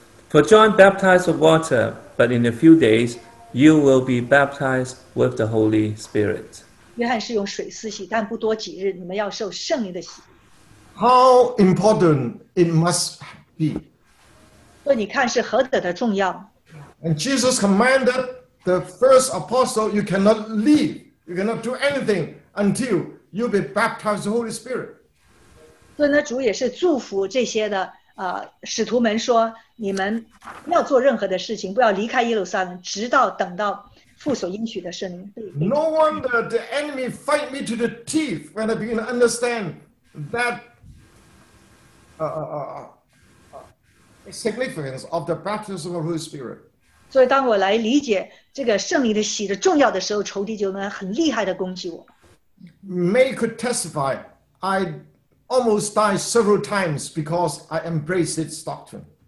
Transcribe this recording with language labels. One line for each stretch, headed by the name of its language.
English: For John baptized with water, but in a few days, you will be baptized with the Holy Spirit.
Chinese: 约翰是用水施洗,但不多几日,你们要受圣灵的洗。
English: How important it must be.
Chinese: 所以你看是何等的重要。
English: And Jesus commanded the first apostle, you cannot leave, you cannot do anything until You'll be baptized with the Holy Spirit.
Chinese: 所以呢，主也是祝福这些的使徒们说，你们不要做任何的事情，不要离开耶路撒冷，直到等到父所应许的圣灵。
English: No wonder the enemy fight me to the teeth when I begin to understand that significance of the baptism of the Holy Spirit.
Chinese: 所以当我来理解这个圣灵的洗的重要的时候，仇敌就能很厉害的攻击我。
English: May could testify, I almost died several times because I embraced its doctrine.